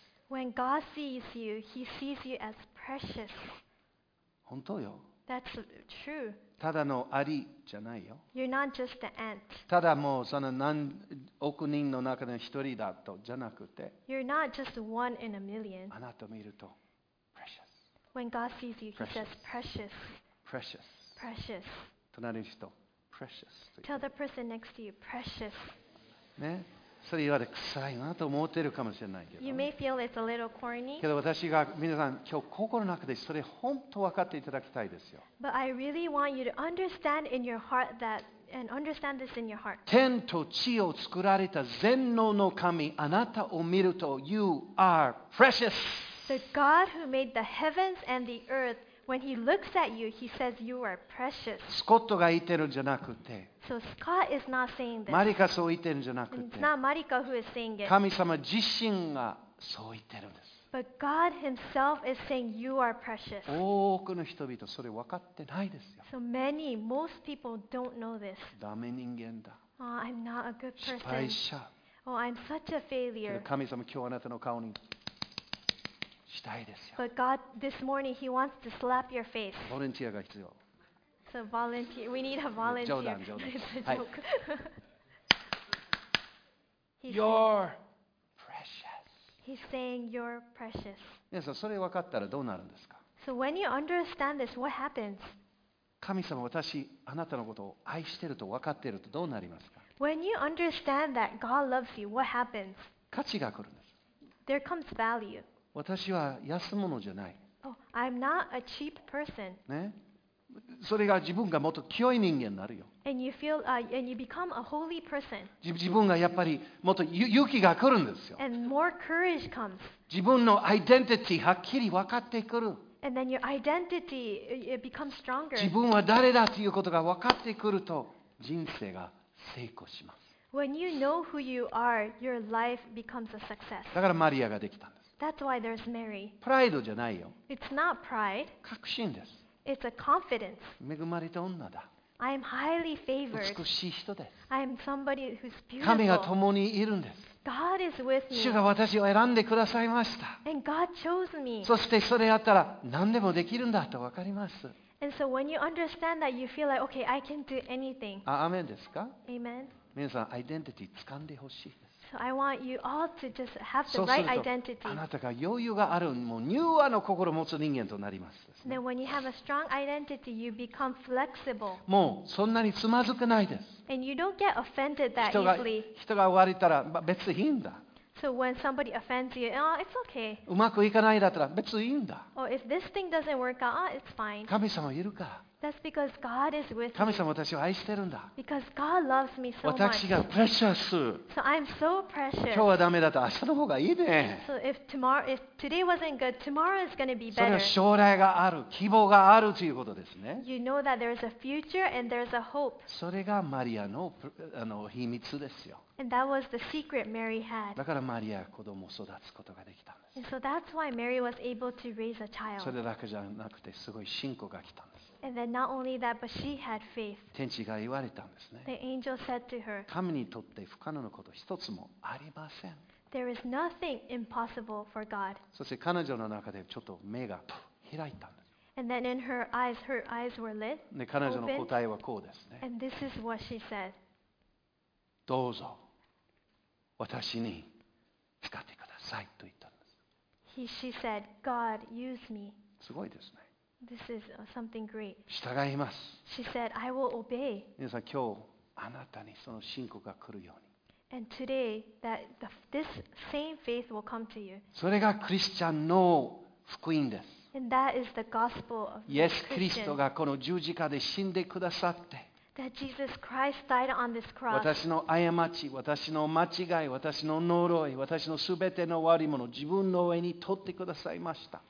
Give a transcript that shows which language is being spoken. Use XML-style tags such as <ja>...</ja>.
<en>When God sees you, He sees you as precious.</en> <ja>本当よ。</ja> <en>That's true.</en> <ja>ただのアリじゃないよ。</ja> <en>You're not just the ant.</en> <ja>ただもうその何億人の中の一人だとじゃなくて。</ja> <en>You're not just one in a million.</en> <ja>あなたを見ると precious.</ja> <en>When God sees you, He says precious. Precious. Precious.</en> <ja>隣の人、precious。</ja> <en>Tell the person next to you, precious。</en> <ja>ね、それ言われ臭いなと思ってるかもしれないけど。</ja> <en>You may feel it's a little corny。</en> <ja>けど私が皆さん今日心の中でそれ本当分かっていただきたいですよ。</ja> <en>But I really want you to understand in your heart that and understand this in your heart。</en> <ja>天と地を作られた全能の神、あなたを見ると</ja> <en>You are precious。 The God who made the heavens and the earth。 When he looks at you, he says you are precious.</en> <ja>スコットが言ってるんじゃなくて、</ja> <en>so Scott is not saying this.</en> <ja>マリカそう言ってるんじゃなくて、</ja> <en>it's not Marika who is saying it.</en> <ja>神様自身がそう言ってるんです。</ja> <en>But God himself is saying you are precious.</en> <ja>多くの人々それ分かってないですよ。</ja> <en>So many, most people don't know this.</en> <ja>ダメ人間だ。</ja> <en>Oh, I'm not a good person.</en> <ja>失敗者。</ja> <en>Oh, I'm such a failure.</en> <ja>神様今日あなたの顔に。したいですよ。</ja> <en>But God, this morning, He wants to slap your face.</en> <ja>ボランティアが必要。</ja> <en>So volunteer, we need a volunteer.</en> <ja>冗談、冗談。</ja> <en>It's a joke. You're precious. He's saying you're precious.</en> <ja>皆さん、それ分かったらどうなるんですか。</ja> <en>So when you understand this, what happens?</en> <ja>神様、私、あなたのことを愛してると分かっているとどうなりますか。</ja> <en>When you understand that God loves you, what happens?</en> <ja>価値が来るんです。</ja> <en>There comes value.</en> <ja>私は安物じゃない。</ja> <en>Oh, I'm not a cheap person.</en> <ja>ね、それが自分がもっと清い人間になるよ。</ja> <en>And you feel, and you become a holy person.</en> <ja>自分がやっぱりもっと勇気が来るんですよ。</ja> <en>And more courage comes.</en> <ja>自分のアイデンティティはっきり分かってくる。</ja> <en>And then your identity it becomes stronger.</en> <ja>自分は誰だということが分かってくると人生が成功します。</ja> <en>When you know who you are, your life becomes a success.</en> <ja>だからマリアができたんです。</ja> <en>That's why there's Mary.</en> <ja>プライドじゃないよ。</ja> <en>It's not pride.</en> <ja>確信です。</ja> <en>It's a confidence.</en> <ja>恵まれた女だ。</ja> <en>I am highly favored.</en> <ja>美しい人です。</ja> <en>I am somebody who's beautiful.</en> <ja>神が共にいるんです。</ja> <en>God is with me.</en> <ja>主が私を選んでくださいました。</ja> <en>And God chose me.</en> <ja>そしてそれやったら何でもできるんだと分かります。</ja> <en>And so when you understand that, you feel like, okay, I can do anything.</en> <ja>あ、アメンですか？</ja> <en>Amen.</en> <ja>皆さん、アイデンティティ掴んでほしいです。</ja> <en>So I want you all to just have the right identity.</en> <ja>あなたが余裕があるもう柔和の心を持つ人間となります。</ja> <en>Then when you have a strong identity, you become flexible.</en> <ja>もうそんなにつまずかないです。</ja> <en>And you don't get offended that easily.</en> <ja>人が割れたら別にいいんだ。</ja> <en>So when somebody offends you, oh, it's okay.</en> <ja>うまくいかないだったら別にいいんだ。</ja> <en>Or if this thing doesn't work out, oh, it's fine.</en> <ja>神様いるから。</ja> <en>That's because God is with me.</en> <ja>神様は私を愛してるんだ。</ja> <en>Because God loves me so much.</en> <ja>私が precious.</ja> <en>So I'm so precious.</en> <ja>今日はダメだと明日の方がいいね。</ja> <en>So if today wasn't good, tomorrow is going to be better.</en> <ja>それは将来がある、希望があるということですね。</ja> <en>You know that there's a future and there's a hope.</en> <ja>それがマリアの、秘密ですよ。</ja> <en>And that was the secret Mary had.</en> <ja>だからマリアは子供を育つことができたんです。</ja> <en>And so that's why Mary was able to raise a child.</en> <ja>それだけじゃなくてすごい信仰が来たんです。</ja> <en>And then not only that, but she had faith.</en> <ja>天使が言われたんですね。</ja> <en>The angel said to her,</en> <ja>神にとって不可能なこと一つもありません。</ja> <en>There is nothing impossible for God.</en> <ja>そして彼女の中でちょっと目が開いたんです。</ja> <en>And then in her eyes were lit.</en> <ja>で彼女の答えはこうですね。</ja> <en>And this is what she said.</en> <ja>どうぞ私に使ってくださいと言ったんです。</ja> <en>She said, God, use me.</en> <ja>すごいですね。</ja> <en>This is something great.</en> <ja>従います。</ja> <en>She said, "I will obey."</en> <ja>皆さん、今日あなたにその信仰が来るように。</ja> <en>And today, that this same faith will come to you.</en> <ja>それがクリスチャンの福音です。</ja> <en>And that is the gospel of Christians.</en> <ja>イエス・キリストがこの十字架で死んでくださって。</ja> <en>That Jesus Christ died on this cross.</en> <ja>私の過ち、私の間違い、私の呪い、私のすべての悪いものを自分の上に取ってくださいました。</ja>